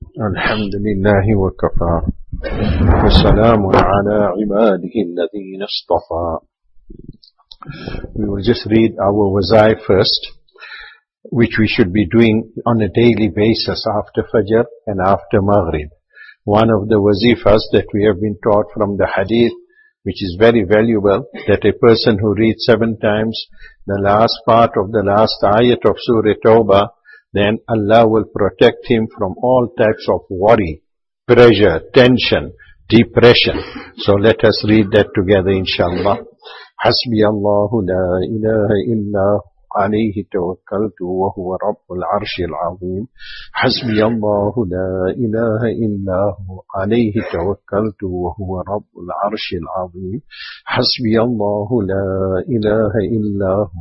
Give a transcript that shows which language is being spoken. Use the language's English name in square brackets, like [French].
[Arabic] الحمد لله وكفى والسلام على عباده الذين اصطفى. [English] We will just read our wazaif first, which we should be doing on a daily basis after Fajr and after Maghrib. One of the wazifas that we have been taught from the hadith, which is very valuable, that a person who reads 7 times the last part of the last ayat of Surah Tawbah, then Allah will protect him from all types of worry, pressure, tension, depression. So let us read that together, inshallah. [Arabic] حسبي الله لا إله إلا عليه توكلت وهو رب العرش العظيم حسبي الله لا إله إلا عليه توكلت وهو رب العرش العظيم حسبي الله لا إله إلا